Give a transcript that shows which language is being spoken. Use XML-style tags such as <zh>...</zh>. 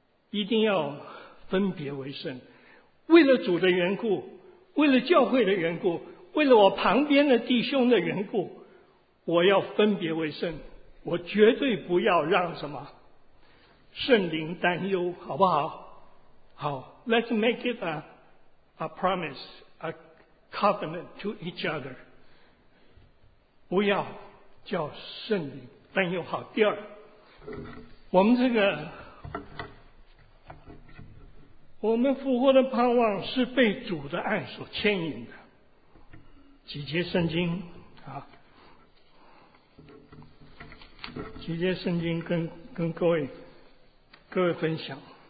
<zh>一定要分别为圣，为了主的缘故，为了教会的缘故，为了我旁边的弟兄的缘故，我要分别为圣，我绝对不要让什么圣灵担忧，好不好？好。</zh> <en>Let's make it a promise, a covenant to each other.</en> <zh>不要叫圣灵担忧。好，第二，我们这个我们复活的盼望是被主的爱所牵引的。几节圣经啊，几节圣经跟各位分享。</zh>